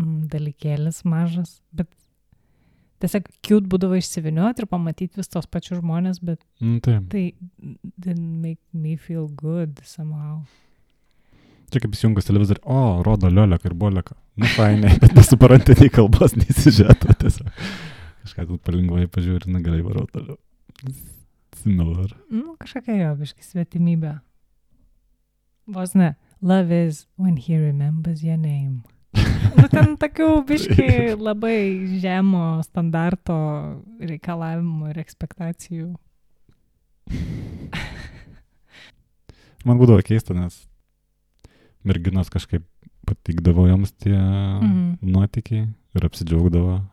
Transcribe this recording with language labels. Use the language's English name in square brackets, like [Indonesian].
[Lithuanian] dalykėlis mažas, bet tiesiog cute būdavo išsiviniuoti ir pamatyti vis tos pačius žmonės, bet tai [English] didn't make me feel good somehow. [Lithuanian] Čia kaip įsijungas televizorį, o, rodo lioleką ir bolioką. Nu, fainai, bet nesuprantė nei kalbos, nei sižeto tiesiog. Kažką tu palengvai pažiūri, na, gerai varau toliau. [English] Similar. [Lithuanian] Nu, kažkokia jo, biškai svetimybė. Vos ne, [English] love is when he remembers your name. [Lithuanian] Nu, ten tokių biškai labai žemo standarto reikalavimų ir ekspektacijų. Man būdavo keista, nes merginos kažkaip patikdavo joms tie nuotykiai ir apsidžiaugdavo.